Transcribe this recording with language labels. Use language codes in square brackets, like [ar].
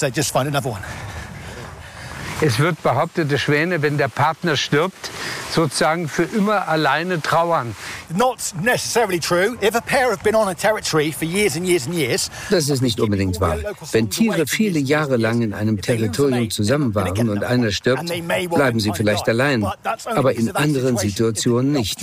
[en] They just find another one. [de] Es wird behauptet, die Schwäne, wenn der Partner stirbt, sozusagen für immer alleine trauern. [en] Not necessarily true. If a pair have been on a territory for years and years and years. [de] Das ist nicht unbedingt wahr. Wenn Tiere viele Jahre lang in einem Territorium zusammen waren und einer stirbt, bleiben sie vielleicht allein, aber in anderen Situationen nicht.